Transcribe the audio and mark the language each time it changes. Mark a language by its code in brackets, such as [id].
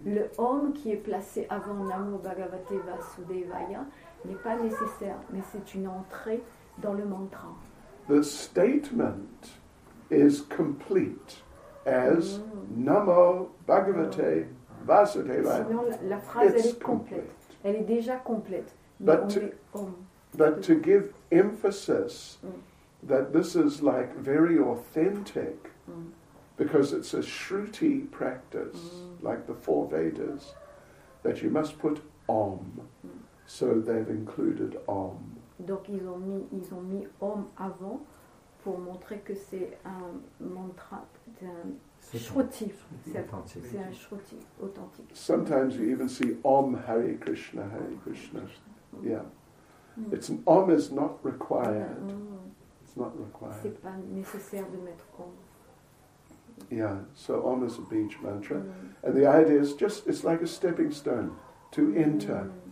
[fr] Le Om qui est placé avant Namo Bhagavate Vasudevaya n'est pas nécessaire, mais c'est une entrée dans le mantra. [en] The statement is complete as Namo Bhagavate Vasudevaya. [fr] Sinon, la phrase, [en] it's [fr] elle est complète. [en] Complete. [fr] Elle est déjà complète. [en] But, [fr] mais [en] to give emphasis that this is like very authentic, because it's a Shruti practice, like the four Vedas, that you must put Om. So they've included Om. [fr] Donc ils ont mis Om avant pour montrer que c'est un mantra, c'est un Shruti. C'est un Shruti authentique. [en] Sometimes you even see Om Hare Krishna, Hare Krishna. Yeah. It's an Om is not required. It's not required. [fr] C'est pas nécessaire de mettre Om. [en] Yeah, so Om is a Bij mantra. And the idea is just, it's like a stepping stone to enter.